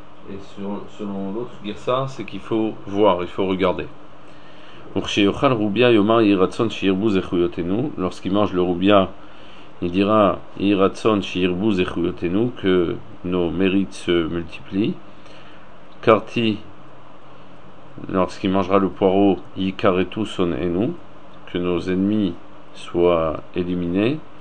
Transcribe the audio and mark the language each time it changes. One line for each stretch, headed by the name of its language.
French: Et selon l'autre guirsa, c'est qu'il faut voir, il faut regarder.
Hebrew: וכשיאכל רוביה יאמר יהי רצון שירבו זכויותינו.
French: Lorsqu'il mange le roubia, il dira
Hebrew: יהי רצון שירבו זכויותינו,
French: que nos mérites se multiplient. קרטי, lorsqu'il mangera le poireau,
Hebrew: יקרטו שונאינו,
French: que nos ennemis soient éliminés.